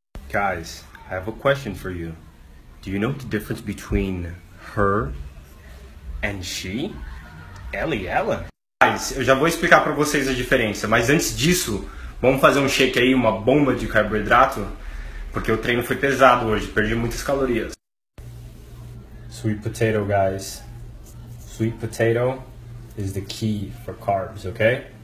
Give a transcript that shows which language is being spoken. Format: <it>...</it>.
<en>Guys, I have a question for you. Do you know the difference between her and she?</en> <pt>Ela e ela? Guys, eu já vou explicar pra vocês a diferença, mas antes disso, vamos fazer um shake aí, uma bomba de carboidrato? Porque o treino foi pesado hoje, perdi muitas calorias.</pt> <en>Sweet potato, guys. Sweet potato is the key for carbs, okay?</en>